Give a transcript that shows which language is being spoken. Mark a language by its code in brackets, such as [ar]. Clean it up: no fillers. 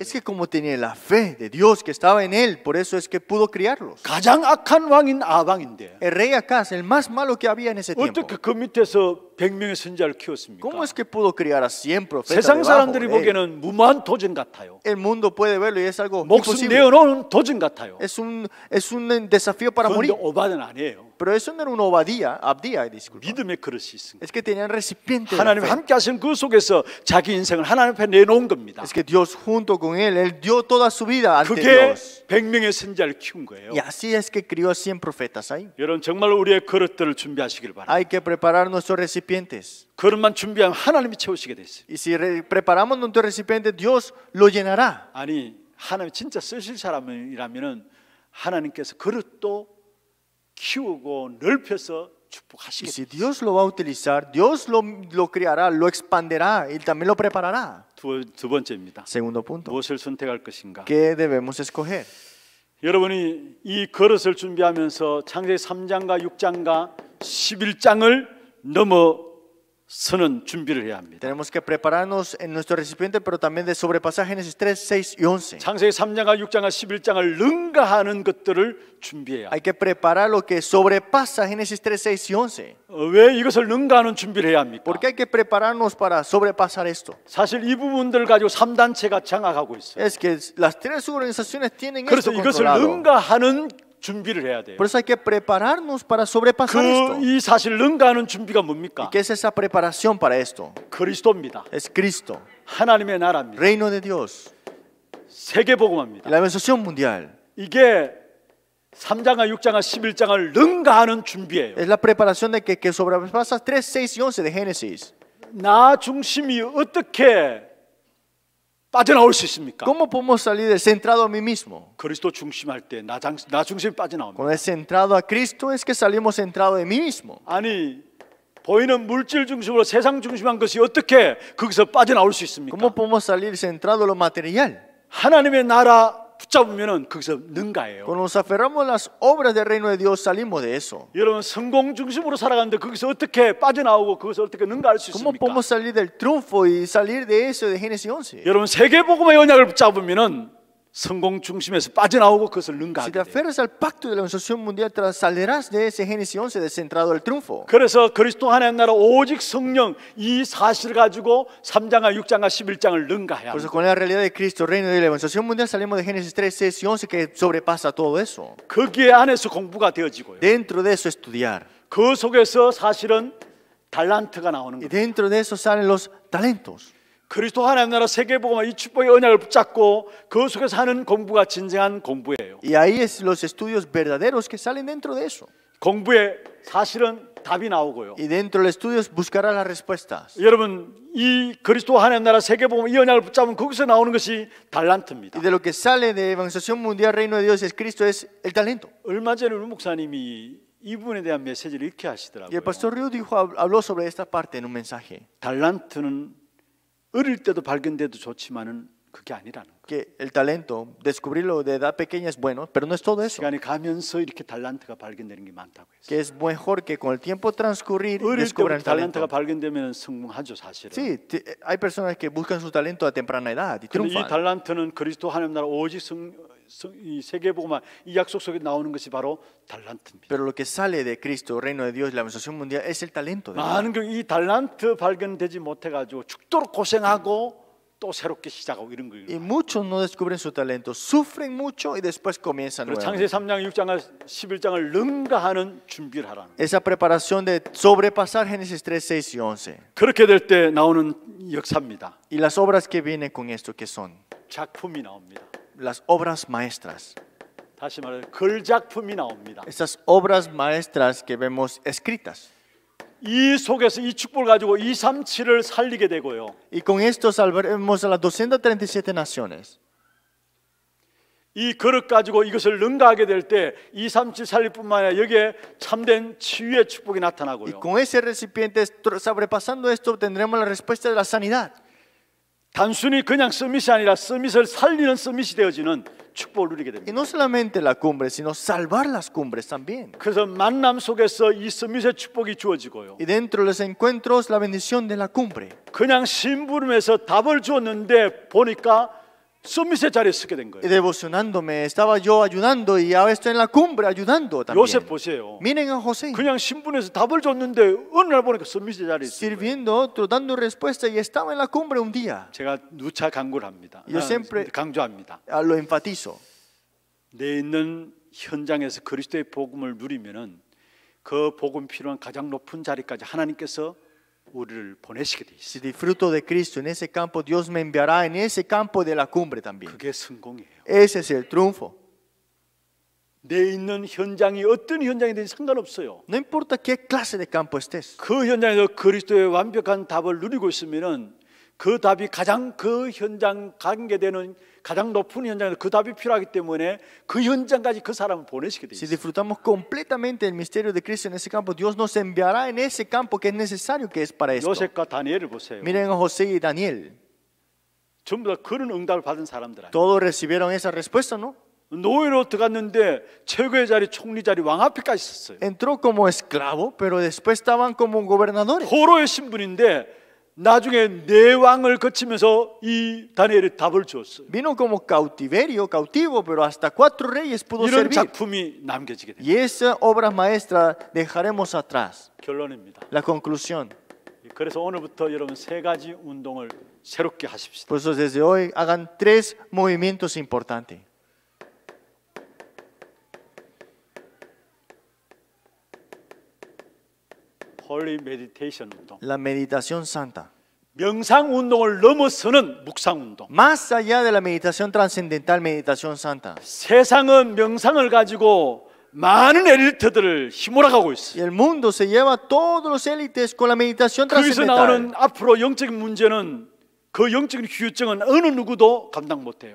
[es] Es que como tenía la fe de Dios que estaba en él, por eso es que pudo criarlos. [ko] 가장 악한 왕인 아방인데. [es] El rey Acaz, el más malo que había en ese tiempo. [ko] 어떻게 그 밑에서 100명의 선지자를 키웠습니까? [es] ¿Cómo es que pudo criar a 100 profetas? [ko] 세상 사람들이 보기에는 무모한 도전 같아요. [es] El mundo puede verlo y es algo imposible. [ko] 목숨 내어놓은 도전 같아요. [es] Es un desafío para morir. [ko] 그런데 오바다는 아니에요. [es] Pero eso no era un Obadía, Abdía, disculpa. [ko] 믿음의 그릇이 있습니다. [es] Es que tenían recipiente. [ko] 하나님 함께 하신 그 속에서 자기 인생을 하나님 앞에 내놓은 겁니다. [es] Es que Dios junto con él, él dio toda su vida ante Dios. [ko] 100명의 선지자를 키운 거예요. [es] Y así es que crió 100 profetas ahí. [ko] 여러분 정말 우리의 그릇들을 준비하시길 바랍니다. [es] Hay que preparar nuestros recipientes. [ko] 그릇만 준비하면 하나님이 채우시게 됐어요. [es] Y si preparamos nuestro recipiente, Dios lo llenará. [ko] 아니 하나님 진짜 쓰실 사람이라면은 하나님께서 그릇도 키우고 넓혀서 축복하시겠다. [es] Si Dios lo va a utilizar, Dios lo creará, lo expanderá y también lo preparará. [ko] 두 번째입니다. [es] Segundo punto. [ko] 무엇을 선택할 것인가? [es] ¿Qué debemos escoger? [ko] 여러분이 이 그릇을 준비하면서 창세기 3장과 6장과 11장을 넘어서는 준비를 해야 합니다. [es] Tenemos que prepararnos en nuestro recipiente, pero también de sobrepasar Génesis 3, 6 y 11. [ko] 창세기 3장과 6장과 11장을 능가하는 것들을 준비해야. [es] Hay que preparar lo que sobrepasa Génesis 3, 6 y 11. [ko] 왜 이것을 능가하는 준비를 해야 합니까? [es] Porque hay que prepararnos para sobrepasar esto. [ko] 사실 이 부분들 가지고 3단체가 장악하고 있어요. [es] Es que las tres organizaciones tienen esto controlado. [ko] 그래서 이것을 능가하는 준비를 해야 돼요. [es] Por eso hay que prepararnos para sobrepasar esto. [ko] 이 사실 능가하는 준비가 뭡니까? [es] ¿Y qué es esa preparación para esto? [ko] 그리스도입니다. [es] Es Cristo. [ko] 하나님의 나라입니다. [es] Reino de Dios. [ko] 세계복음입니다. [es] La evangelización mundial. [ko] 이게 3장과 6장과 11장을 능가하는 준비예요. [es] Es la preparación de que sobrepasa 3, 6 y 11 de Génesis. [ko] 나 중심이 어떻게 빠져나올 수 있습니까? [es] ¿Cómo podemos salir centrado a mí mismo? [ko] 그리스도 중심할 때 나 중심이 빠져나옵니다. [es] Cuando es centrado a Cristo es que salimos centrado en mí mismo. [ko] 아니, 보이는 물질 중심으로 세상 중심한 것이 어떻게 거기서 빠져나올 수 있습니까? [es] ¿Cómo podemos salir centrado a lo material? [ko] 하나님의 나라 붙잡으면은 거기서 능가해요. [es] Cuando nos aferramos a las obras del reino de Dios salimos de eso. [ko] 여러분 성공 중심으로 살아가는데 거기서 어떻게 빠져나오고 거기서 어떻게 능가할 수 있습니까? [es] ¿Cómo podemos salir del triunfo y salir de eso de Génesis 11? [ko] 여러분 세계복음의 언약을 붙잡으면은 성공 중심에서 빠져나오고 그것을 능가하게 돼요. [es] Si te aferras al pacto de la organización mundial saldrás de ese Génesis 11 centrado al triunfo. [ko] 그래서 그리스도 하나님 나라 오직 성령 이 사실을 가지고 3장과 6장과 11장을 능가해야 합니다. [es] Por eso con la realidad de Cristo reino de la organización mundial salimos de Génesis 3, 6 y 11 que sobrepasa todo eso. [ko] 거기 안에서 공부가 되어지고요. [es] Dentro de eso estudiar. [ko] 그 속에서 사실은 달란트가 나오는 거예요. [es] Dentro de eso salen los talentos. [ko] 그리스도 하나님 나라 세계복음화 이 축복의 언약을 붙잡고 그 속에서 하는 공부가 진정한 공부예요. [es] Y ahí es los estudios verdaderos que salen dentro de eso. [ko] 공부에 사실은 답이 나오고요. [es] Y dentro de los estudios buscará las respuestas. [ko] 여러분 이 그리스도 하나님 나라 세계복음화 이 언약을 붙잡으면 거기서 나오는 것이 달란트입니다. [es] Y de lo que sale de evangelización mundial reino de Dios es Cristo es el talento. [ko] 얼마 전에 우리 목사님이 이 부분에 대한 메시지를 이렇게 하시더라고요. [es] Y el pastor Ryu dijo habló sobre esta parte en un mensaje. [ko] 달란트는 어릴 때도 발견돼도 좋지만은 그게 아니라는 거. [es] Que el talento descubrirlo de edad pequeña es bueno, pero no es todo eso. [ko] 시간이 가면서 이렇게 달란트가 발견되는 게 많다고 해서. [es] Que es mejor que con el tiempo transcurrir descubran talento. [ko] 달란트가 발견되면 성공하죠, 사실은. [es] Sí, hay personas que buscan su talento a temprana edad y triunfan. [ko] 근데 이 달란트는 그리스도 하나님 나라 오직 이 세계복음화 이 약속 속에 나오는 것이 바로 달란트입니다. [es] Pero lo que sale de Cristo, reino de Dios, la evangelización mundial es el talento. [ko] 많은 경우 이 달란트 발견되지 못해 가지고 죽도록 고생하고 또 새롭게 시작하고 이런 거예요. [es] Y muchos no descubren su talento, sufren mucho y después comienzan nuevo. [ko] 창세 3장 6장 11장을 능가하는 준비를 하라. [es] Esa preparación de sobrepasar Génesis 3, 6 y 11. [ko] 그렇게 될 때 나오는 역사입니다. [es] Y las obras que vienen con esto que son [ko] 작품이 나옵니다. [es] Las obras maestras. [ko] 다시 말해 글 작품이 나옵니다. [es] Esas obras maestras que vemos escritas. [ko] 이 속에서 이 축복을 가지고 2, 3, 7을 살리게 되고요. [es] Y con esto salvaremos a las 237 naciones. [ko] 이 그릇 가지고 이것을 능가하게 될 때 2, 3, 7 살릴 뿐만 아니라 여기에 참된 치유의 축복이 나타나고요. [es] Y con ese recipiente sobrepasando esto tendremos la respuesta de la sanidad. [ko] 단순히 그냥 서밋이 아니라 서밋을 살리는 서밋이 되어지는 축복을 누리게 됩니다. [es] Y no solamente la cumbre, sino salvar las cumbres también. [ko] 그래서 만남 속에서 이 서밋의 축복이 주어지고요. [es] Y dentro de los encuentros la bendición de la cumbre. [ko] 그냥 심부름에서 답을 주었는데 보니까 서밋의 자리에 서게 된 거예요. [es] Y devocionándome estaba yo ayudando y ahora estoy en la cumbre ayudando también. [ko] 요셉 보세요. [es] Miren a José. [ko] 그냥 심부름에서 답을 줬는데 어느 날 보니까 서밋의 자리에 서. [es] Sirviendo otro dando respuesta y estaba en la cumbre un día. [ko] 제가 누차 강구를 합니다. [es] Yo siempre [ko] 강조합니다. [es] Lo enfatizo. [ko] 내 있는 현장에서 그리스도의 복음을 누리면은 그 복음 필요한 가장 높은 자리까지 하나님께서 우리를 보내시게 돼 있어요. [es] Si disfruto de Cristo en ese campo, Dios me enviará en ese campo de la cumbre también. [ko] 그게 성공이에요. [es] Ese es el triunfo. [ko] 내 있는 현장이 어떤 현장이든 상관없어요. [es] No importa qué clase de campo estés. [ko] 그 현장에서 그리스도의 완벽한 답을 누리고 있으면은 그 답이 가장 그 현장 관계되는 가장 높은 현장에서 그 답이 필요하기 때문에 그 현장까지 그 사람을 보내시게 돼요. [es] Si disfrutamos completamente el misterio de Cristo en ese campo, Dios nos enviará en ese campo que es necesario, que es para esto. [ko] 요셉과 다니엘을 보세요. [es] Miren a José y Daniel. [ko] 전부 다 그런 응답을 받은 사람들. [es] Todos recibieron esa respuesta, ¿no? [ko] 노예로 들어갔는데 최고의 자리, 총리 자리, 왕 앞에까지 있었어요. [es] Entró como esclavo, pero después estaban como gobernadores. [ko] 포로의 신분인데 나중에 네 왕을 거치면서 이 다니엘이 답을 줬어요. [es] Vino como cautiverio, cautivo, pero hasta cuatro reyes pudo servir. [ko] 이런 작품이 남겨지게 됩니다. [es] Y esa obra maestra dejaremos atrás. [ko] 결론입니다. [es] La conclusión. [ko] 그래서 오늘부터 여러분 세 가지 운동을 새롭게 하십시오. [es] Por eso desde hoy hagan tres movimientos importantes. [ko] 홀리 메디테이션 운동. [es] La meditación santa. [ko] 명상 운동을 넘어서는 묵상 운동. [es] Más allá de la meditación trascendental, meditación santa. [ko] 세상은 명상을 가지고 많은 엘리트들을 휘몰아가고 있어. [es] El mundo se lleva todos los élites con la meditación trascendental. [ko] 거기서 나오는 앞으로 영적인 문제는 그 영적인 휴증은 어느 누구도 감당 못해요.